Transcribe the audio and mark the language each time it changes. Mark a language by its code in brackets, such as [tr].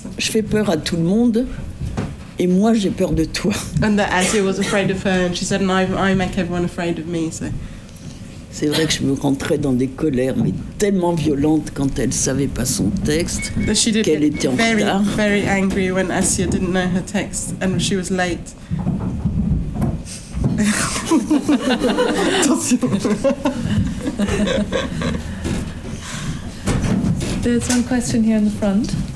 [fr] Je fais peur à tout le monde, et moi j'ai peur de toi. [en] And that Asia was afraid of her, and she said, and I make everyone afraid of me. So. [fr] C'est vrai que je me rentrais dans des colères, mais tellement violentes quand elle ne savait pas son texte, qu'elle était en retard. [en] She was very angry when Asya didn't know her text and she was late. Attention. There's one question here in the front.